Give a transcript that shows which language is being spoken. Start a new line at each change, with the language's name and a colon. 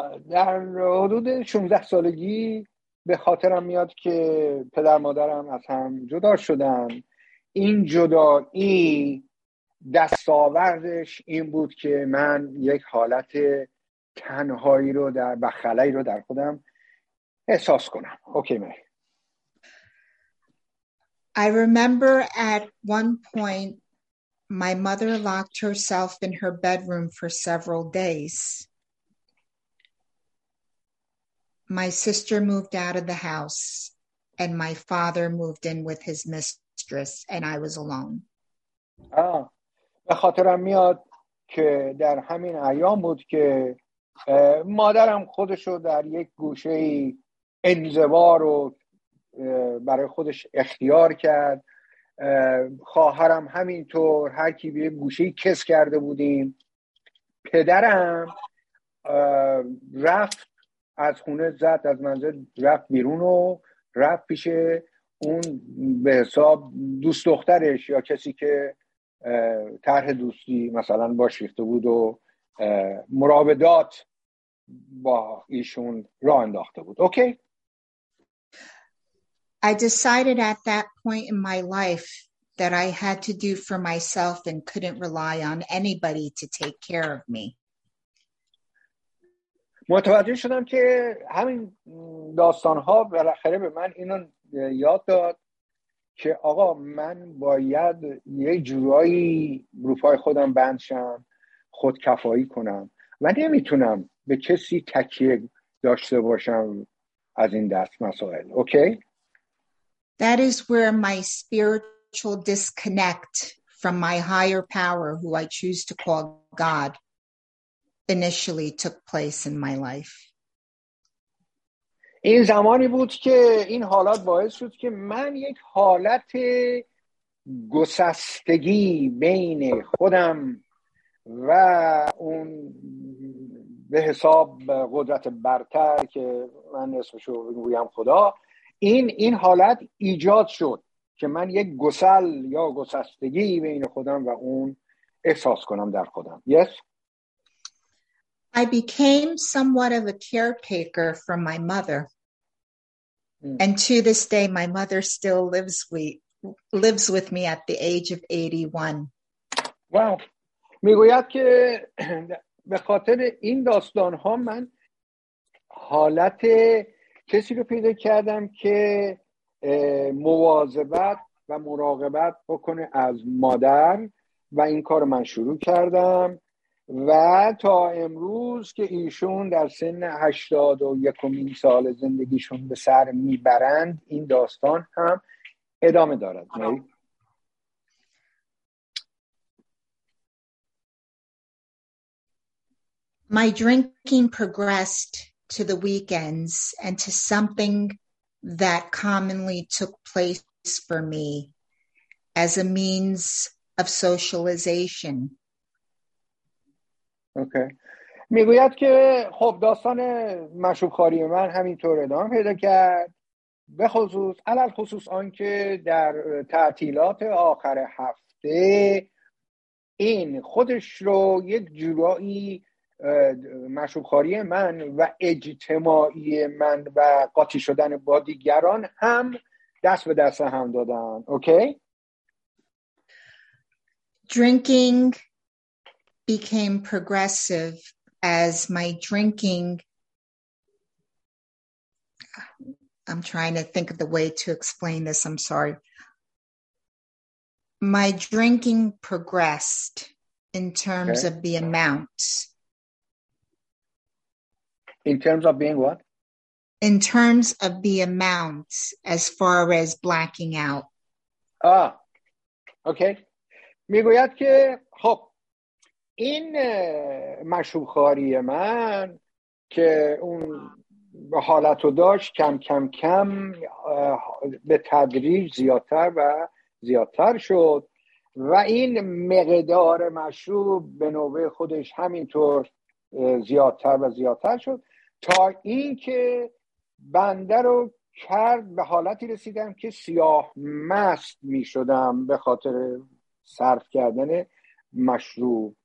Persian: در حدود 16 سالگی به خاطرم میاد که پدر مادرم از هم جدا شدن. این جدایی دستاوردش این بود که من یک حالت تنهایی رو در و خلایی رو در خودم احساس کنم.
English: Okay Mary. I remember at one point my mother locked herself in her bedroom for several days. My sister moved out of the house and my father moved in with his mistress and I was alone.
Persian: به خاطرم میاد که در همین ایام بود که مادرم خودشو در یک گوشه انزوا رو برای خودش اختیار کرد، خواهرم همینطور، هر کی به یک گوشه کس کرده بودیم. پدرم رفت از خونه، زد از منزل، رفت بیرون و رفت پیش اون به حساب دوست دخترش یا کسی که طرح دوستی مثلا باش ریخته بود و مراودات با ایشون را انداخته بود.
English: Okay? I decided at that point in my life that I had to do for myself and couldn't rely on anybody to take care of me.
Persian: متوجه شدم که همین داستان‌ها بالاخره به من اینو یاد داد که آقا من باید یه جورایی روپای خودم بند شم، خودکفایی کنم و نمیتونم به کسی تکیه داشته باشم از این دست مسائل.
English: Okay? That is where my spiritual disconnect from my higher power, who I choose to call God, initially took place in my life.
Persian: این زمانی بود که این حالات باعث شد که من یک حالت گسستگی بین خودم و اون به حساب قدرت برتر که من اسمشو میگم خدا، این حالت ایجاد شد که من یک گسل یا گسستگی بین خودم و اون احساس کنم در خودم.
English: Yes. I became somewhat of a caretaker for my mother. And to this day my mother still lives with me at the age of 81. Wow.
Persian: میگوید که به خاطر این داستان ها من حالت کسی رو پیدا کردم که مواظبت و مراقبت بکنه از مادر و این کار من شروع کردم و تا امروز که ایشون در سن 81 سال زندگیشون به سر میبرند این داستان هم ادامه دارد.
English: My drinking progressed to the weekends and to something that commonly took place for me as a means of socialization. Okay.
Persian: میگوید که خب داستان مشروب‌خواری من همینطور ادامه پیدا کرد، به خصوص علل خصوص آنکه در تعطیلات آخر هفته این خودش رو یک جورایی مشروبخواری من و اجتماعی من و قاطی شدن با دیگران هم دست به دست هم دادن.
English: Okay? Drinking became progressive as my drinking I'm trying to think of the way to explain this, I'm sorry. My drinking progressed in terms okay. of the amount. In terms of being what? In terms of the amount, as far as blacking out. Ah, okay.
Persian: میگوید که خب این مشروب خواری من که اون حالتو داشت کم کم کم به تدریج زیادتر و زیادتر شد و این مقدار مشروب به نوبه خودش همینطور زیادتر و زیادتر شد تا این که بنده رو کرد به حالتی رسیدم که سیاه مست می شدم به خاطر صرف کردن مشروب.